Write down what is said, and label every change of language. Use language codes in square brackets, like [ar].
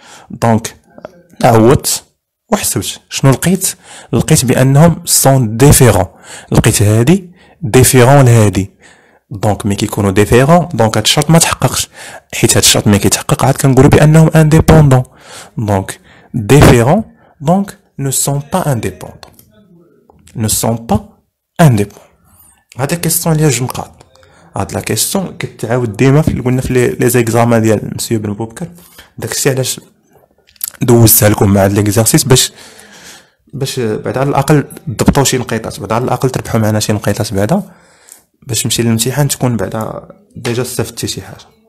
[ar] دونك تعودت وحسبت. شنو لقيت؟ لقيت بانهم سون ديفيرون، لقيت هادي ديفيرون لهادي. دونك مي كيكونوا ديفيرون دونك هاد الشرط ما تحققش، حيت هاد الشرط مي كيتحقق عاد كنقولوا بانهم انديبوندون. [fr] دونك différents donc ne sont pas indépendants, ne sont pas indépendants. [ar] هاد الكيسيون اللي جا مقاد، هاد لا كيسيون كتعاود ديما في قلنا في لي زيكزامان ديال مسيو بن بوبكر. داكشي علاش دوزتها لكم مع هاد ليكزارسيس باش بعد على الاقل ضبطوا شي نقيطات، بعد على الاقل تربحوا معنا شي نقيطات بعدا باش نمشي للامتحان تكون بعدا ديجا استفدتي شي حاجه.